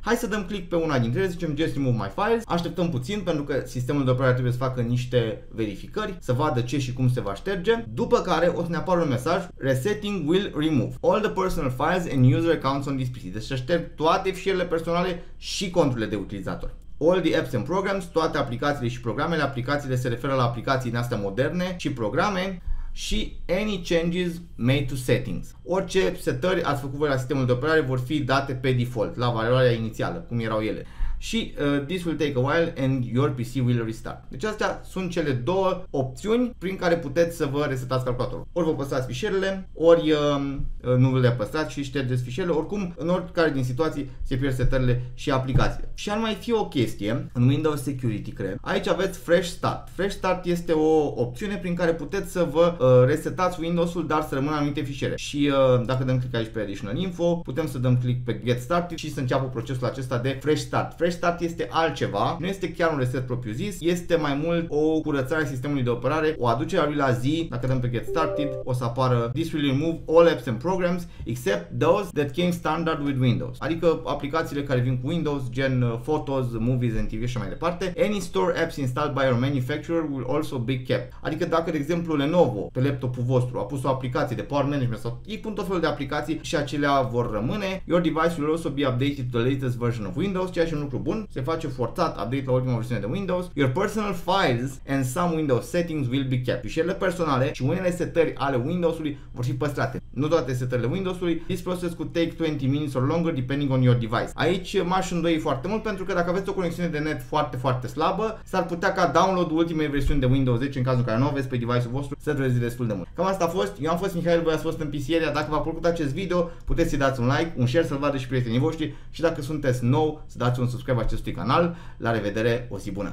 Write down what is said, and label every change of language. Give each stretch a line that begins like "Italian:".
Romanian: Hai să dăm click pe una dintre ele, zicem Just Remove My Files. Așteptăm puțin pentru că sistemul de operare trebuie să facă niște verificări, să vadă ce și cum se va șterge, după care o să ne apară un mesaj
English: Resetting will remove all the personal files and user accounts on this PC.
Romanian: Deci să șterg toate fișierele personale și conturile de utilizator.
English: All the apps and programs,
Romanian: toate aplicațiile și programele, aplicațiile se referă la aplicații din astea moderne și programe.
English: Și any changes made to settings.
Romanian: Orice setări ați făcut voi la sistemul de operare vor fi date pe default, la valoarea inițială, cum erau ele.
English: Și this will take a while and your PC will restart.
Romanian: Deci astea sunt cele două opțiuni prin care puteți să vă resetați calculatorul. Ori vă păstrați fișierele, ori nu vă le păstrați și ștergeți fișierele. Oricum, în oricare din situații se pierd setările și aplicațiile. Și ar mai fi o chestie în Windows Security, cred. Aici aveți Fresh Start. Fresh Start este o opțiune prin care puteți să vă resetați Windows-ul, dar să rămână anumite fișiere. Și dacă dăm click aici pe Additional Info, putem să dăm click pe Get Started și să înceapă procesul acesta de Fresh Start. Fresh Start este altceva, nu este chiar un reset propriu-zis, este mai mult o curățare a sistemului de operare, o aducere a lui la zi. Dacă dăm pe Get Started, o să apară
English: This will remove all apps and programs except those that came standard with Windows.
Romanian: Adică aplicațiile care vin cu Windows, gen Photos, Movies and TV și mai departe.
English: Any store apps installed by your manufacturer will also be kept.
Romanian: Adică dacă, de exemplu, Lenovo pe laptopul vostru a pus o aplicație de Power Management sau ei pun tot felul de aplicații și acelea vor rămâne,
English: your device will also be updated to the latest version of Windows,
Romanian: ceea ce un lucru bun, se face forțat update la ultima versiune de Windows,
English: your personal files and some Windows settings will be kept.
Romanian: Fișierele personale și unele setări ale Windows-ului vor fi păstrate. Nu toate setările Windows-ului.
English: This process could take 20 minutes or longer depending on your device.
Romanian: Aici m-aș îndoi foarte mult pentru că dacă aveți o conexiune de net foarte, foarte slabă, s-ar putea ca download-ul ultimei versiuni de Windows 10, în cazul în care nu aveți pe device-ul vostru, să dureze destul de mult. Cam asta a fost. Eu am fost Mihail, voi ați fost în Pisieria. Dacă v-a plăcut acest video, puteți să dați un like, un share, să-l vadă și prietenii voștri și dacă sunteți nou, să dați un subscribe acestui canal. La revedere, o zi bună!